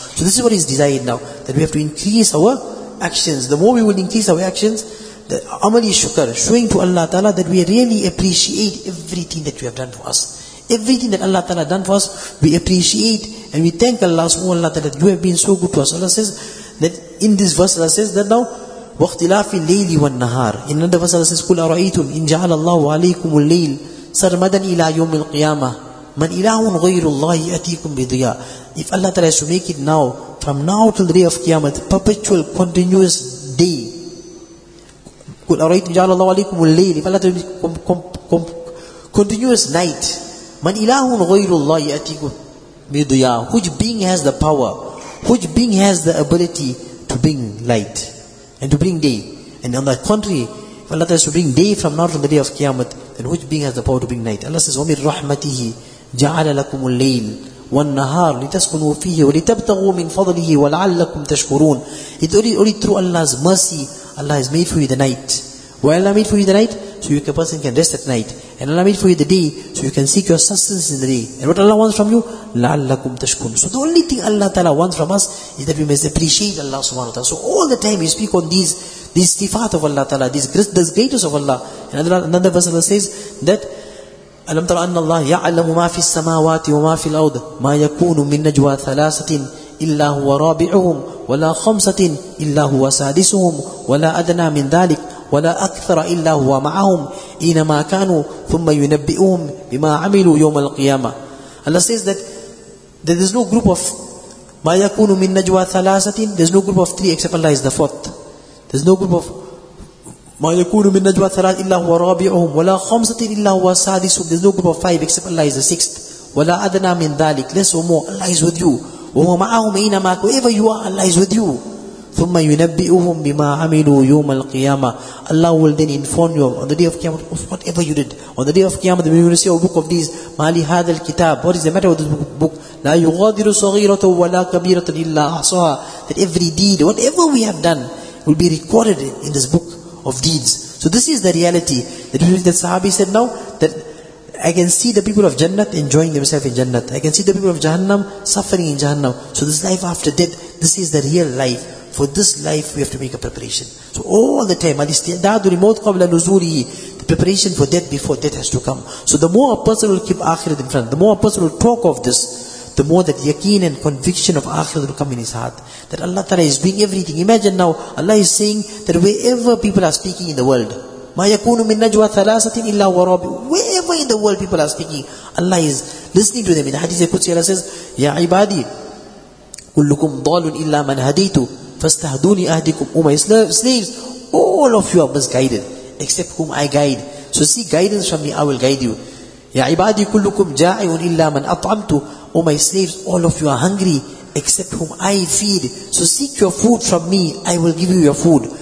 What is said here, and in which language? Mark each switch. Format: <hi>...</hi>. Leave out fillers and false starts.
<en>So this is what is desired now, that we have to increase our actions. The more we will increase our actions, the amali shukr, showing to Allah Ta'ala that we really appreciate everything that you have done for us. Everything that Allah Ta'ala done for us, we appreciate and we thank Allah subhanahu wa ta'ala that you have been so good to us. Allah says that in this verse, Allah says that now, وَاخْتِلَافِ اللَّيْلِ وَالنَّهَارِ. In another verse Allah says,</en> <ar>قُلْ أَرَأَيْتُمْ إِنْ جَعَلَ اللَّهُ عَلَيْكُمُ اللَّيْلِ سَرْمَدًا إِلَى يَوْمِ الْقِيَامَةِ مَنْ إِلَهٌ غَيْرُ اللَّهِ يَأْتِيكُمْ بِضِيَاءٍ.</ar> <en>If Allah Ta'ala has to make it now, from now till the day of Qiyamah, the perpetual, continuous day.</en> <ar>قُلْ أَرَيْتُمْ جَعَلَ اللَّهُ عَلَيْكُمُ اللَّيْلِ,</ar> <en>if Allah Ta'ala has to make continuous night,</en> <ar>مَنْ إِلَهٌ غَيْرُ اللَّهِ يَأْتِيكُمْ بِضِيَاءٍ,</ar> <en>which being has the power, which being has the ability to bring light and to bring day. And on the contrary, if Allah Ta'ala has to bring day from now till the day of Qiyamah, then which being has the power to bring night? Allah says,</en> <ar>وَمِنْ رَحْمَتِهِ جَعَلَ لَكُمُ اللَّيْلِ وَالنَّهَارِ لِتَسْكُنُوا فِيهِ وَلِتَبْتَغُوا مِنْ فَضْلِهِ وَلَعَلَّكُمْ تَشْكُرُونَ.</ar> <en>It's only through Allah's mercy, Allah has made for you the night. Why Allah made for you the night? So a person can rest at night. And Allah made for you the day, so you can seek your sustenance in the day. And what Allah wants from you?</en> <ar>لَعَلَّكُمْ تَشْكُرُونَ.</ar> <en>So the only thing Allah Ta'ala wants from us is that we must appreciate Allah subhanahu wa ta'ala. So all the time we speak on these istifat of Allah Ta'ala, these greatness of Allah. And another verse Allah says that,</en> <ar>أَلَمْ تَرَ أَنَّ اللَّهَ يَعْلَمُ مَا فِي السَّمَاوَاتِ وَمَا فِي الْأَرْضِ مَا يَكُونُ مِنْ نَجْوَى ثَلَاثَةٍ إِلَّا هُوَ رَابِعُهُمْ وَلَا خَمْسَةٍ إِلَّا هُوَ سَادِسُهُمْ وَلَا أَدْنَى مِنْ ذَلِكَ وَلَا أَكْثَرَ إِلَّا هُوَ مَعَهُمْ أَيْنَمَا كَانُوا ثُمَّ يُنَبِّئُهُمْ بِمَا عَمِلُوا يَوْمَ الْقِيَامَةِ.</ar> <en>Allah says that there's no group of</en> <ar>مَا يَكُونُ مِنْ نَجْوَى ثَلَاثَةٍ,</ar> <en>there's no group of three except Allah is the fourth. There's no group of</en> <ar>ما يكون من نجوى ثلاث إلا هو رابعهم ولا خمسة إلا هو سادس.</ar> <en>There's no group of five except Allah is the sixth.</en> <ar>ولا أدنى من ذلك.</ar> <en>Less or more, Allah is with you.</en> <ar>وهو معهم أينما</ar> <en>wherever you are, Allah is with you.</en> <ar>ثم ينبئهم بما عملوا يوم القيامة.</ar> <en>Allah will then inform you on the day of Qiyamah of whatever you did. On the day of Qiyamah, the will say, oh, book of these,</en> <ar>ما لي هذا الكتاب.</ar> <en>What is the matter with this book?</en> <ar>لا يغادر صغيرة ولا كبيرة إلا أحصاها.</ar> <en>That every deed, whatever we have done, will be recorded in this book of deeds. So this is the reality that the Sahabi said now, that I can see the people of Jannat enjoying themselves in Jannat. I can see the people of Jahannam suffering in Jahannam. So this life after death, this is the real life. For this life, we have to make a preparation. So all the time,</en> <ar>الاستعداد لموت قبل نزوله,</ar> <en>the preparation for death before death has to come. So the more a person will keep akhirat in front, the more a person will talk of this, the more that yakin and conviction of akhirat will come in his heart. That Allah Ta'ala is doing everything. Imagine now, Allah is saying that wherever people are speaking in the world,</en> <ar>مَا يَكُونُ مِنْ نَجْوَى ثَلَاثَةٍ إِلَّا وَرَابِعُ,</ar> <en>wherever in the world people are speaking, Allah is listening to them. In the Hadith Qudsi, Allah says,</en> <ar>يَا عِبَادِي كُلُّكُمْ ضَالٌ إِلَّا مَنْ هَدَيْتُ فَاسْتَهْدُونِ أَهْدِكُمْ.</ar> <en>O my slaves, all of you are misguided, except whom I guide. So seek guidance from me, I will guide you.</en> <ar>يَا عِبَادِي كُلُّكُمْ جَائِعٌ إِلَّا مَنْ أَطْعَمْتُ.</ar> <en>O my slaves, all of you are hungry, except whom I feed. So seek your food from me, I will give you your food.</en>